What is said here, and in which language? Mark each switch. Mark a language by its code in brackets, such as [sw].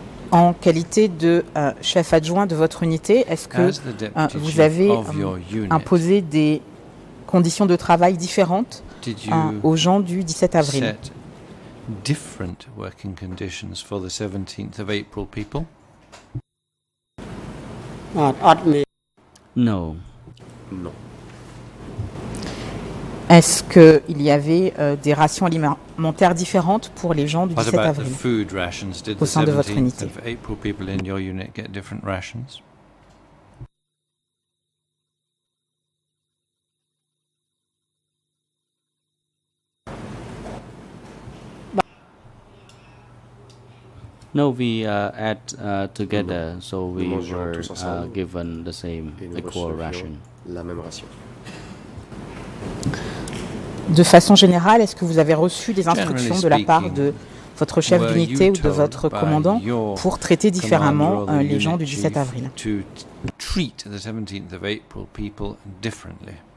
[fr] En qualité de chef adjoint de votre unité, est-ce que vous avez imposé des conditions de travail différentes aux gens du 17 avril? [en] Set different working conditions for the 17th of April people? No. No. [fr] Est-ce qu'il y avait des rations alimentaires différentes pour les gens du 17 avril au sein de votre unité? [en] Did the 17th of April people in your unit get different rations? No, we ate together, so we were given the same equal ration. [fr] La même ration. De façon générale, est-ce que vous avez reçu des instructions de la part de votre chef d'unité ou de votre commandant pour traiter différemment les gens du 17 avril? [en] To treat the 17th of April people differently.